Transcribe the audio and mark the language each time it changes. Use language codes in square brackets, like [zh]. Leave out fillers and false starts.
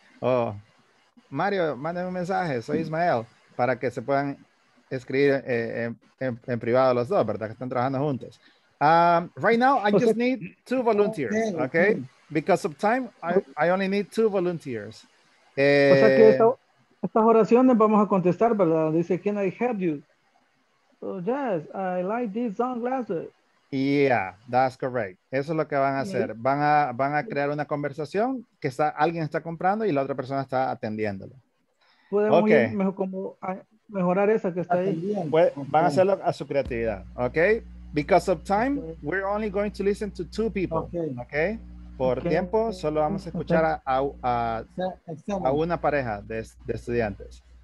[es] Oh, Mario, mándame un mensaje, soy Ismael, para que se puedan escribir en privado los dos, ¿verdad? Que están trabajando juntos. [en] Right now, I just need two volunteers, okay? Because of time, I only need two volunteers. [es] Estas oraciones vamos a contestar, ¿verdad? Dice, [en] can I help you? Oh, yes, I like these sunglasses. Yeah, that's correct. [es] Eso es lo que van a hacer. Van a crear una conversación que está alguien está comprando y la otra persona está atendiéndolo. Podemos mejorar esa que está ahí. Pues, van a hacerlo a su creatividad, okay? [en] Because of time, we're only going to listen to two people, okay? [es] Por tiempo, solo vamos a escuchar a una pareja de estudiantes.